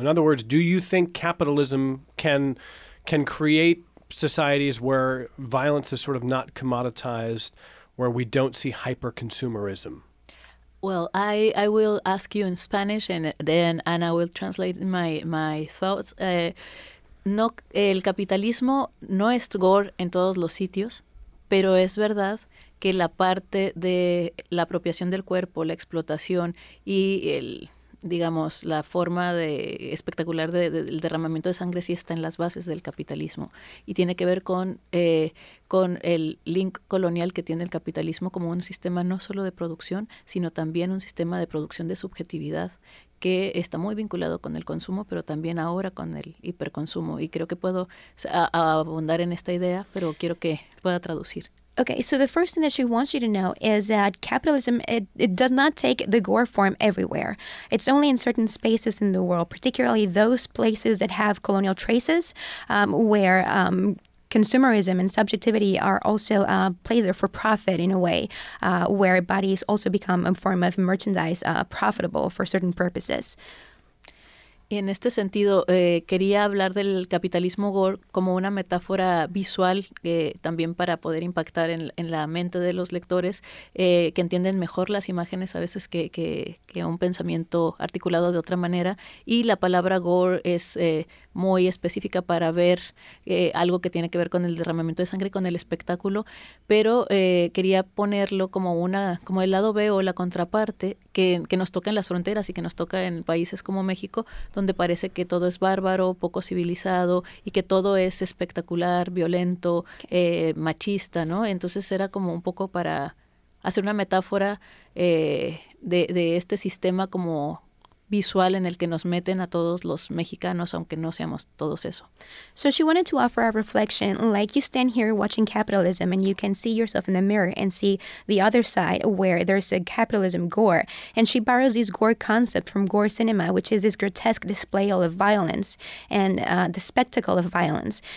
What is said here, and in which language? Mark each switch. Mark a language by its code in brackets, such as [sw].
[en] In other words, do you think capitalism can create societies where violence is sort of not commoditized, where we don't see hyper-consumerism? Well, I will ask you in Spanish and then Ana will translate my thoughts. [es] No, el capitalismo no es gore en todos los sitios, pero es verdad que la parte de la apropiación del cuerpo, la explotación y el, digamos, la forma de espectacular del derramamiento de sangre sí está en las bases del capitalismo y tiene que ver con el link colonial que tiene el capitalismo como un sistema no solo de producción, sino también un sistema de producción de subjetividad que está muy vinculado con el consumo, pero también ahora con el hiperconsumo. Y creo que puedo abundar en esta idea, pero quiero que pueda traducir. [en] Okay, so the first thing that she wants you to know is that capitalism, it does not take the gore form everywhere. It's only in certain spaces in the world, particularly those places that have colonial traces, where consumerism and subjectivity are also plays there for profit in a way, where bodies also become a form of merchandise profitable for certain purposes. [es] En este sentido, quería hablar del capitalismo gore como una metáfora visual también para poder impactar en la mente de los lectores que entienden mejor las imágenes a veces que un pensamiento articulado de otra manera. Y la palabra gore es muy específica para ver algo que tiene que ver con el derramamiento de sangre, con el espectáculo. Pero quería ponerlo como el lado B o la contraparte que nos toca en las fronteras y que nos toca en países como México, donde parece que todo es bárbaro, poco civilizado y que todo es espectacular, violento, machista, ¿no? Entonces era como un poco para hacer una metáfora de este sistema como visual en el que nos meten a todos los mexicanos, aunque no seamos todos eso. [en] So she wanted to offer a reflection, like you stand here watching capitalism and you can see yourself in the mirror and see the other side where there's a capitalism gore. And she borrows this gore concept from gore cinema, which is this grotesque display of violence and the spectacle of violence.